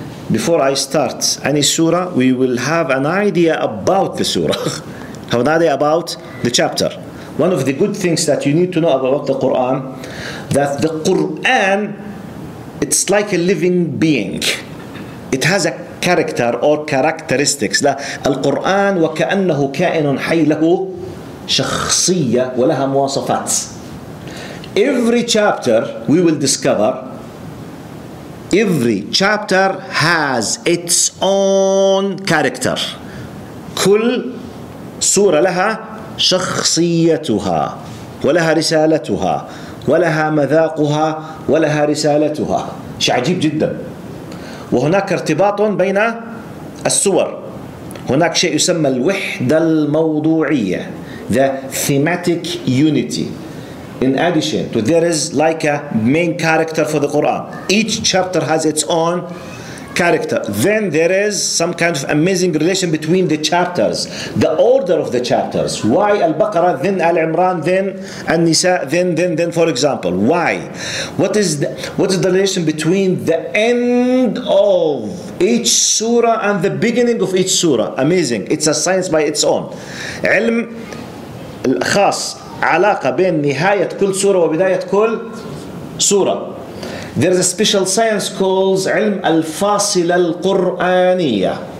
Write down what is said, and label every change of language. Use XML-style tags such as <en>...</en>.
<en>Before I start any surah, we will have an idea about the surah. Have an idea about the chapter. One of the good things that you need to know about the Quran, that the Quran, it's like a living being. It has a character or characteristics.</en> <ar>القرآن وكأنه كائن حي له شخصية ولها مواصفات.</ar> <en>Every chapter we will discover, every chapter has its own character.</en> <ar>كل سورة لها شخصيتها ولها رسالتها ولها مذاقها ولها رسالتها. شيء عجيب جدا. وهناك ارتباط بين السور. هناك شيء يسمى الوحدة الموضوعية.</ar> <en>the thematic unity. In addition to, there is like a main character for the Quran. Each chapter has its own character. Then there is some kind of amazing relation between the chapters, the order of the chapters. Why Al-Baqarah, then Al-Imran, then An-Nisa, then for example, why? What is the relation between the end of each surah and the beginning of each surah? Amazing. It's a science by its own.</en> <ar>علم الخاص علاقة بين نهاية كل سورة وبداية كل سورة.</ar> <en>There is a special science called علم الفاصلة القرآنية.</en>